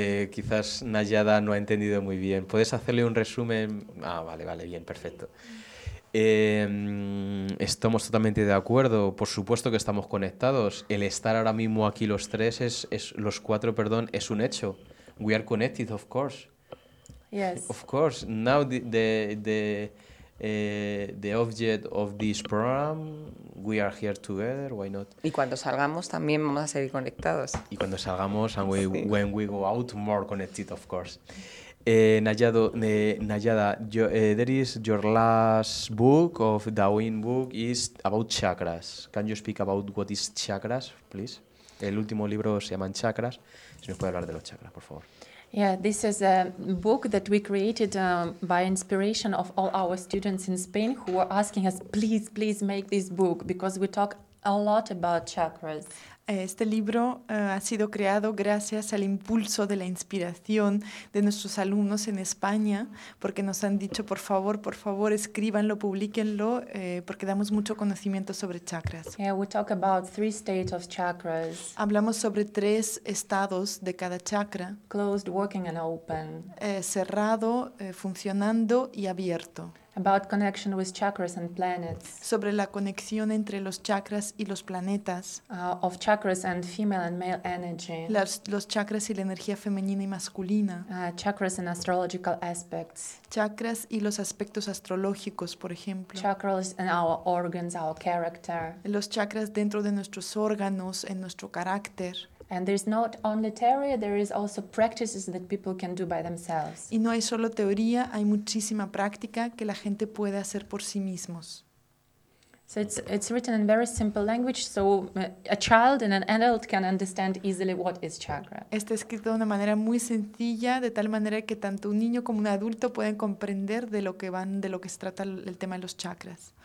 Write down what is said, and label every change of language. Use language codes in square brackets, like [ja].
[es] Quizás Nayada no ha entendido muy bien. ¿Puedes hacerle un resumen? Ah, vale, vale, bien, perfecto. Estamos totalmente de acuerdo, por supuesto que estamos conectados. El estar ahora mismo aquí los tres es los cuatro, perdón, es un hecho. [en] We are connected, of course. Yes. Of course. Now the object of this program, we are here together, why not? [es] Y cuando salgamos también vamos a seguir conectados. Y cuando salgamos, [en] and we, [es] sí, [en] when we go out, more connected, of course. Nayada, there is your last book of the Win book is about chakras. Can you speak about what is chakras, please? [es] El último libro se llama Chakras. Si nos puede hablar de los chakras, por favor. [en] Yeah, this is a book that we created by inspiration of all our students in Spain who were asking us, please, please make this book because we talk a lot about chakras. [es] Este libro ha sido creado gracias al impulso de la inspiración de nuestros alumnos en España, porque nos han dicho, por favor, escríbanlo, publíquenlo, porque damos mucho conocimiento sobre chakras. [en] Yeah, we talk about three states of chakras. [es] Hablamos sobre tres estados de cada chakra. [en] Closed, working and open. [es] Cerrado, funcionando y abierto. [en] About connection with chakras and planets. [es] Sobre la conexión entre los chakras y los planetas. [en] Of chakras and female and male energy. [es] Los chakras y la energía femenina y masculina. [en] Chakras and astrological aspects. [es] Chakras y los aspectos astrológicos, por ejemplo. [en] Chakras and our organs, our character. [es] Los chakras dentro de nuestros órganos, en nuestro carácter. [en] And there's not only theory, there is also practices that people can do by themselves. [es] Y no hay solo teoría, hay muchísima práctica que la gente puede hacer por sí mismos. [en] So it's written in very simple language, so a child and an adult can understand easily what is chakra. [es] Está escrito de una manera muy sencilla, de tal manera que tanto un niño como un adulto pueden comprender de lo que se trata el tema de los chakras.